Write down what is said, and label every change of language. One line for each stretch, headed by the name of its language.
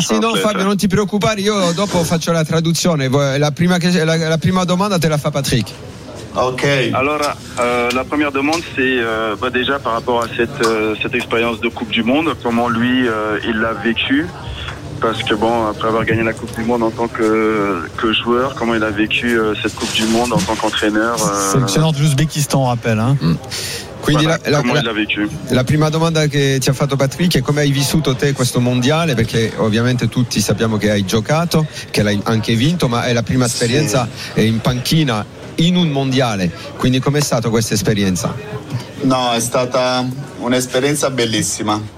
Italian: Sì, no, Fabio, non ti preoccupare, io dopo faccio la traduzione. La prima domanda te la fa Patrick. Ok.
French: Allora, la première demande, c'est bah, déjà par rapport à cette expérience de Coupe du Monde, comment lui, il l'a vécu. Parce que bon, après avoir gagné la Coupe du Monde en tant que joueur, comment il a vécu cette Coupe du Monde en tant qu'entraîneur Sélectionneur de l'Ouzbékistan, on rappelle. Hein. Quindi voilà, comment il a vécu.
Italian: La prima domanda che ti ha fatto Patrick è come hai vissuto te questo mondiale, perché ovviamente tutti sappiamo che hai giocato, che l'hai anche vinto, ma è la prima esperienza in panchina in un mondiale. Quindi com'è stata questa esperienza? No, è stata un'esperienza bellissima.